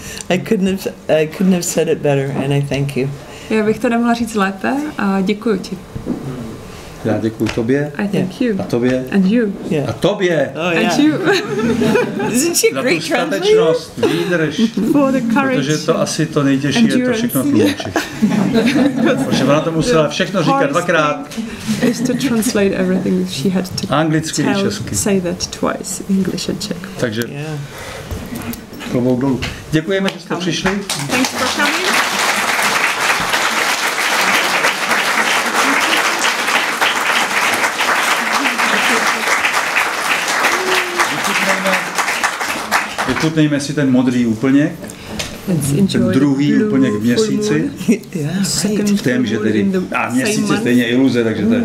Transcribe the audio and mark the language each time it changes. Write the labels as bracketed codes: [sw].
[en] I couldn't have said it better, and I thank you. [cs] Já bych to nemohla říct lépe a děkuji ti. Já děkuji tobě. [en] I thank you. [cs] A tobě. A tobě. [en] Oh, yeah. And you. Isn't she great translator? [cs] Za tu statečnost, výdrž. [en] For the courage. [cs] Protože to asi to nejtěžší je to všechno tlumočit. Protože ona to musela všechno říkat dvakrát. [en] Is to translate everything she had to [cs] anglicky [en] tell, [cs] i česky. [en] Say that twice, English and Czech. [cs] Takže. [en] Yeah. [cs] Klobouk dolů. Děkujeme, že jste přišli. [en] Thanks for coming. [cs] Vychutnejme si ten modrý úplněk, ten druhý úplněk v měsíci, v témže tedy, a měsíc je stejně iluze, takže to je